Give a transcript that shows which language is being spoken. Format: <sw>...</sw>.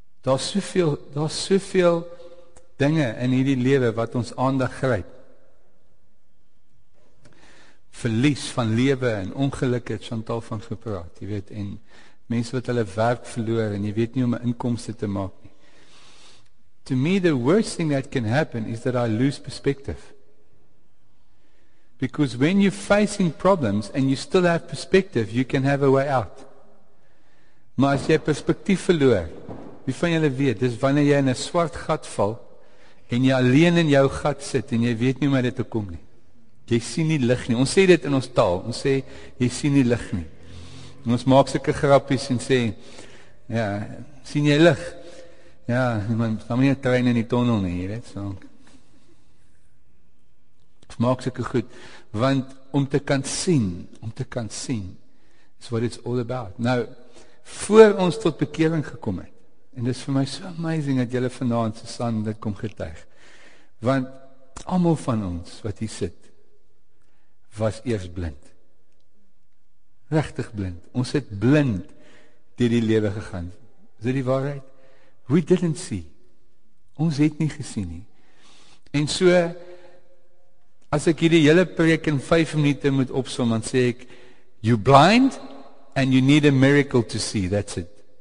<af>Daar is soveel dinge in hierdie lewe wat ons aandag gryp. Verlies van lewe en ongeluk het Chantal van gepraat, jy weet, en mense wat hulle werk verloor en jy weet nie om 'n inkomste te maak nie.</af> <en>To me the worst thing that can happen is that I lose perspective. Because when you're facing problems and you still have perspective, you can have a way out.</en> <af>Maar as jy perspektief verloor, wie van julle weet, dis wanneer jy in 'n swart gat val en jy alleen in jou gat sit en jy weet nie hoe om uit te kom nie. Jy sien nie lig nie. Ons sê dit in ons taal. Ons sê jy sien nie lig nie. En ons maak sulke grappies en sê ja, sien jy lig? Ja, man, dan moet jy 'n trein in die tonnel nie, jy weet, so. Maak sulke goed, want om te kan sien is</af> <en>what it's all about.</en> <af>Nou, voor ons tot bekering gekom het, en dit is vir my so amazing dat julle vanaand Susan dit kom getuig, want almal van ons wat hier sit was eers blind, regtig blind. Ons het blind deur die lewe gegaan. Is dit die waarheid?</af> <en>We didn't see.</en> <af>Ons het nie gesien nie. En so as ek hierdie hele preek in 5 minute moet opsom, dan sê ek,</af> <en>you're blind and you need a miracle to see, that's it.</en>